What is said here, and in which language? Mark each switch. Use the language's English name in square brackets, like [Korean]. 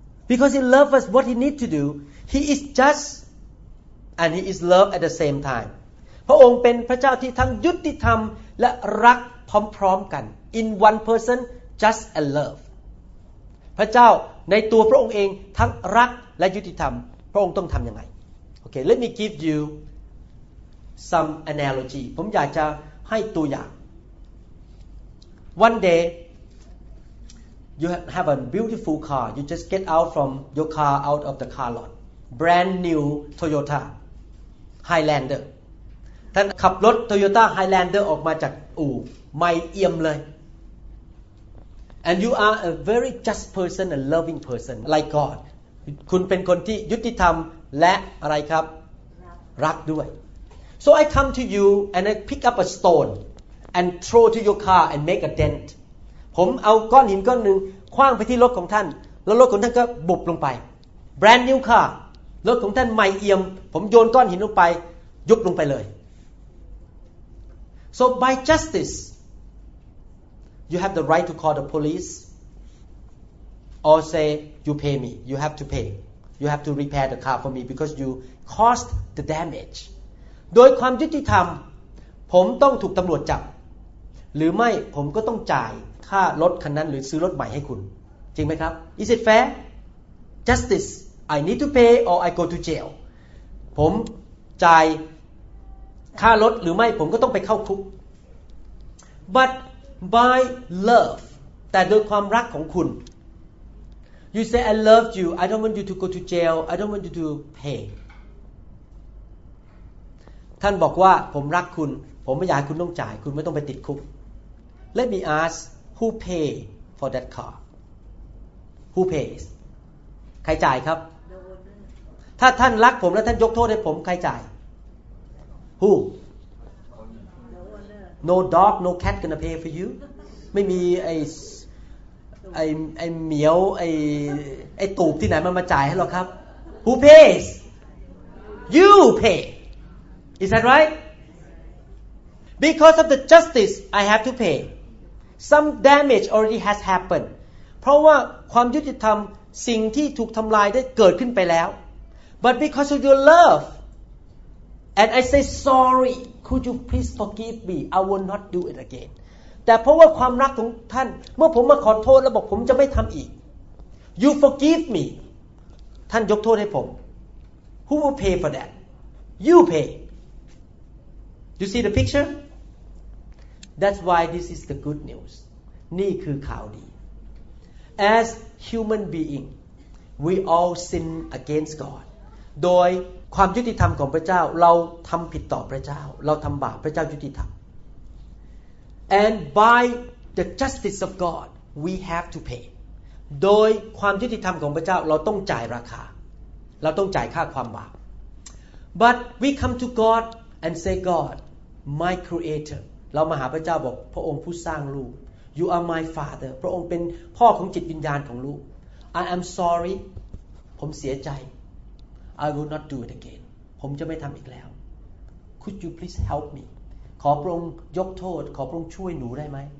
[English] Because he loves us what he need to do he is just and he is love at the same time [Thai] พระองค์เป็นพระเจ้าที่ทั้งยุติธรรมและรักพร้อมๆกัน [English] in one person just and love [Thai] พระเจ้าในตัวพระองค์เองทั้งรักและยุติธรรมพระองค์ต้องทำยังไง [English] Okay, let me give you some analogy. [Thai] ผมอยากจะให้ตัวอย่าง [English] One day, you have a beautiful car. You just get out from your car, out of the car lot. Brand new Toyota Highlander. [Thai] ท่านขับรถ Toyota Highlander ออกมาจากอู่ไม่เอี่ยมเลย [English] And you are a very just person, a loving person, like God. [Thai] คุณเป็นคนที่ยุติธรรมและอะไรครับรักด้วย [English] So I come to you and I pick up a stone and throw to your car and make a dent [Thai] ผมเอาก้อนหินก้อนหนึ่งคว้างไปที่รถของท่านแล้วรถของท่านก็บุบลงไป [English] Brand new car [Thai] รถของท่านใหม่เอี่ยมผมโยนก้อนหินลงไปยุบลงไปเลย [English] So by justice you have the right to call the police or say you pay me you have to payYou have to repair the car for me because you caused the damage. [Thai] โดยความยุติธรรมผมต้องถูกตำรวจจับหรือไม่ผมก็ต้องจ่ายค่ารถคันนั้นหรือซื้อรถใหม่ให้คุณจริงไหมครับ [English] Is it fair? Justice. I need to pay or I go to jail. [Thai] ผมจ่ายค่ารถหรือไม่ผมก็ต้องไปเข้าคุก [English] But by love, [Thai] แต่โดยความรักของคุณ [English] You say I love you. I don't want you to go to jail. I don't want you to pay. [Thai] ท่านบอกว่าผมรักคุณผมไม่อยากให้คุณต้องจ่ายคุณไม่ต้องไปติดคุก [English] Let me ask who pay for that car Who pays [Thai] ใครจ่ายครับถ้าท่านรักผมแล้วท่านยกโทษให้ผมใครจ่าย [English] Who No dog no cat gonna pay for you [Thai] ไม่มีไอ้เหมียวไอ้ตูบที่ไหนมันมาจ่ายให้หรอกครับ [English] Who paysYou pay. Is that right? Because of the justice, I have to pay. Some damage already has happened. [Thai] เพราะว่าความยุติธรรมสิ่งที่ถูกทำลายได้เกิดขึ้นไปแล้ว [English] But because of your love, and I say sorry, could you please forgive me? I will not do it again. [Thai] แต่เพราะว่าความรักของท่านเมื่อผมมาขอโทษแล้วบอกผมจะไม่ทำอีก [English] You forgive me. [Thai] ท่านยกโทษให้ผม [English] Who will pay for that? You pay. You see the picture? That's why this is the good news. [Thai] นี่คือข่าวดี [English] As human being, we all sin against God. [Thai] โดยความยุติธรรมของพระเจ้าเราทำผิดต่อพระเจ้าเราทำบาปพระเจ้ายุติธรรม [English] And by the justice of God, we have to pay. [Thai] โดยความยุติธรรมของพระเจ้าเราต้องจ่ายราคาเราต้องจ่ายค่าความบาป [English] But we come to God and say God my creator [Thai] เรามาหาพระเจ้าบอกพระองค์ผู้สร้างลูก [English] You are my father [Thai] พระองค์เป็นพ่อของจิตวิญญาณของลูก [English] I am sorry [Thai] ผมเสียใจ [English] I will not do it again [Thai] ผมจะไม่ทำอีกแล้ว [English] Could you please help me [Thai] ขอพระองค์ยกโทษขอพระองค์ช่วยหนูได้ไหม